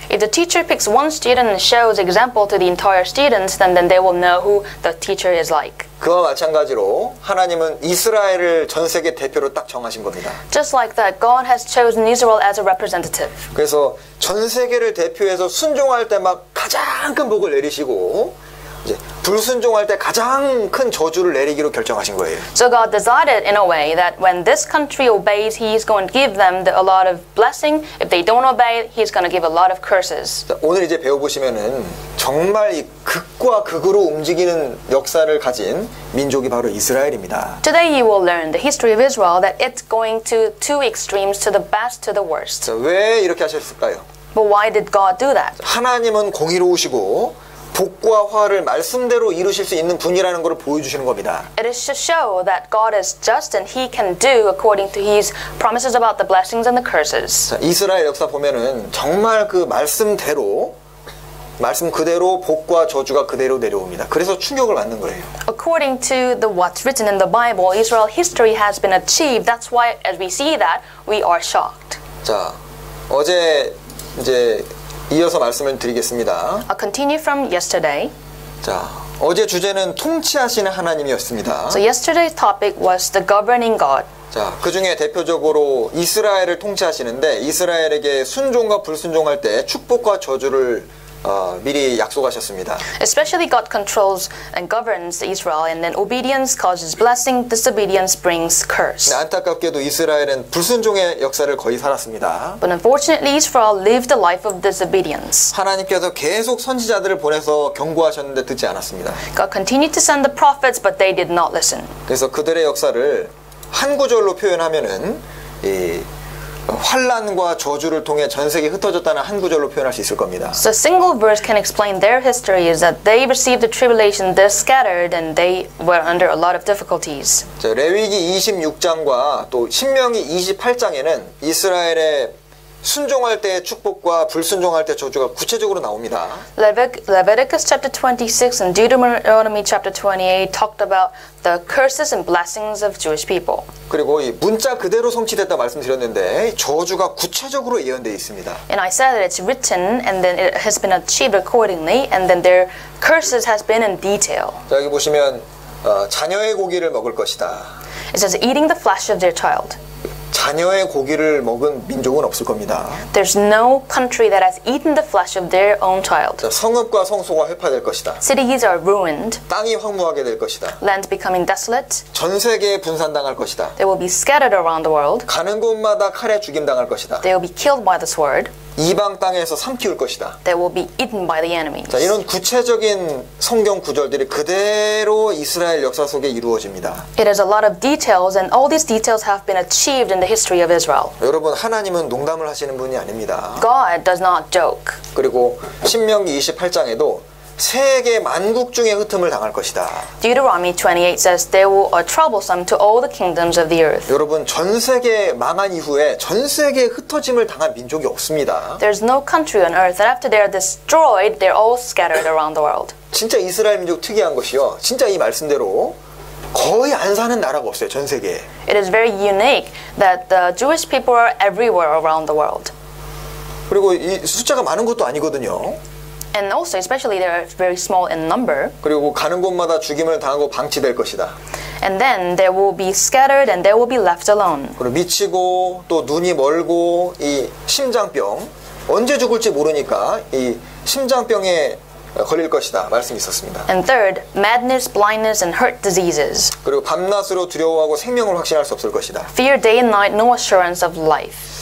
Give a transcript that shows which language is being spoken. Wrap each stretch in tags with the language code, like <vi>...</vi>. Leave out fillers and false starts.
<en>If the teacher picks one student and shows example to the entire students, then they will know who the teacher is like.</en> <ko>그와 마찬가지로 하나님은 이스라엘을 전 세계 대표로 딱 정하신 겁니다.</ko> <en>Just like that, God has chosen Israel as a representative.</en> <ko>그래서 전 세계를 대표해서 순종할 때 막 가장 큰 복을 내리시고 이제 불순종할 때 가장 큰 저주를 내리기로 결정하신 거예요.</ko> <en>So God decided in a way that when this country obeys, He's going to give them a lot of blessing. If they don't obey, He's going to give a lot of curses.</en> <ko>오늘 이제 배워보시면은 정말 이 극과 극으로 움직이는 역사를 가진 민족이 바로 이스라엘입니다.</ko> <en>Today you will learn the history of Israel that it's going to two extremes, to the best, to the worst.</en> <ko>자, 왜 이렇게 하셨을까요?</ko> <en>But why did God do that?</en> <ko>하나님은 공의로우시고 복과 화를 말씀대로 이루실 수 있는 분이라는 것을 보여주시는 겁니다.</ko> <en>It is to show that God is just and He can do according to His promises about the blessings and the curses.</en> <ko>자, 이스라엘 역사 보면은 정말 그 말씀대로 말씀 그대로 복과 저주가 그대로 내려옵니다. 그래서 충격을 받는 거예요.</ko> <en>According to the what's written in the Bible, Israel history has been achieved. That's why, as we see that, we are shocked.</en> <ko>자, 어제 이제. 이어서 말씀을 드리겠습니다.</ko> <en>I'll continue from yesterday.</en> <ko>자, 어제 주제는 통치하시는 하나님이었습니다.</ko> <en>So yesterday's topic was the governing God.</en> <ko>자, 그 중에 대표적으로 이스라엘을 통치하시는데 이스라엘에게 순종과 불순종할 때 축복과 저주를 미리 약속하셨습니다.</ko> <en>Especially God controls and governs Israel and then obedience causes blessing, disobedience brings curse.</en> <ko>네, 안타깝게도 이스라엘은 불순종의 역사를 거의 살았습니다.</ko> <en>But unfortunately Israel lived a life of disobedience.</en> <ko>하나님께서 계속 선지자들을 보내서 경고하셨는데 듣지 않았습니다.</ko> <en>God continued to send the prophets but they did not listen.</en> <ko>그래서 그들의 역사를 한 구절로 표현하면은 이 환난과 저주를 통해 전 세계 흩어졌다는 한 구절로 표현할 수 있을 겁니다.</ko> <en>So a single verse can explain their history is that they received the tribulation, they scattered and they were under a lot of difficulties.</en> <ko>레위기 26장과 또 신명기 28장에는 이스라엘의 순종할 때 축복과 불순종할 때 저주가 구체적으로 나옵니다.</ko> <en>Leviticus chapter 26 and Deuteronomy chapter 28 talked about the curses and blessings of Jewish people.</en> <ko>그리고 이 문자 그대로 성취됐다 말씀드렸는데 저주가 구체적으로 예언되어 있습니다.</ko> <en>And I said that it's written and then it has been achieved accordingly and then their curses has been in detail.</en> <ko>자, 여기 보시면 자녀의 고기를 먹을 것이다.</ko> <en>It says eating the flesh of their child.</en> <ko>자녀의 고기를 먹은 민족은 없을 겁니다.</ko> <en>There's no country that has eaten the flesh of their own child.</en> <ko>성읍과 성소가 훼파될 것이다.</ko> <en>Cities are ruined.</en> <ko>땅이 황무하게 될 것이다.</ko> <en>Land becoming desolate.</en> <ko>전 세계에 분산당할 것이다.</ko> <en>They will be scattered around the world.</en> <ko>가는 곳마다 칼에 죽임당할 것이다.</ko> <en>They will be killed by the sword.</en> <ko>이방 땅에서 삼키울 것이다.</ko> <en>They will be eaten by the enemies.</en> <ko>자, 이런 구체적인 성경 구절들이 그대로 이스라엘 역사 속에 이루어집니다.</ko> <en>It has a lot of details and all these details have been achieved in the history of Israel.</en> <ko>여러분, 하나님은 농담을 하시는 분이 아닙니다.</ko> <en>God does not joke.</en> <ko>그리고 신명기 28장에도 세계 만국 중에 흩음을 당할 것이다.</ko> <en>Deuteronomy 28 says they will be troublesome to all the kingdoms of the earth.</en> <ko>여러분, 전 세계 망한 이후에 전 세계 흩어짐을 당한 민족이 없습니다.</ko> <en>There's no country on earth that after they are destroyed, they're all scattered around the world.</en> <ko>진짜 이스라엘 민족 특이한 것이요. 진짜 이 말씀대로 거의 안 사는 나라가 없어요, 전 세계에.</ko> <en>It is very unique that the Jewish people are everywhere around the world.</en> <ko>그리고 이 숫자가 많은 것도 아니거든요.</ko> <en>And also, especially, they are very small in number.</en> <ko>그리고 가는 곳마다 죽임을 당하고 방치될 것이다.</ko> <en>And then they will be scattered and they will be left alone.</en> <ko>그리고 미치고 또 눈이 멀고 이 심장병 언제 죽을지 모르니까 이 심장병에 걸릴 것이다 말씀이 있었습니다.</ko> <en>And third, madness, blindness, and heart diseases.</en> <ko>그리고 밤낮으로 두려워하고 생명을 확신할 수 없을 것이다.</ko> <en>Fear day and night, no assurance of life.</en>